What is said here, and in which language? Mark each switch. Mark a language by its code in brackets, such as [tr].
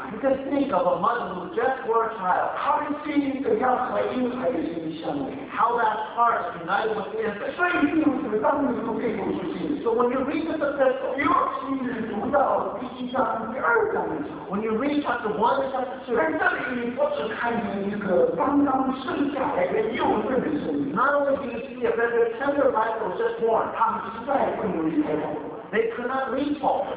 [en] You can think of a mother who just bore a child. How can she see the young child in her relationship? How that heart is united with the infant. [zh] 所以你如此，当你读这部书信。 [en] So when you read this epistle, [zh] 尤其是读到第一章第二章的时候。 [en] When you read chapter 1 and chapter 2, [zh] 但这里你不只看见一个刚刚生下来的幼稚的生命。 [en] Not only do you see a very tender life was just born, [zh] 他们实在不能离开。 [en] They could not leave Paul.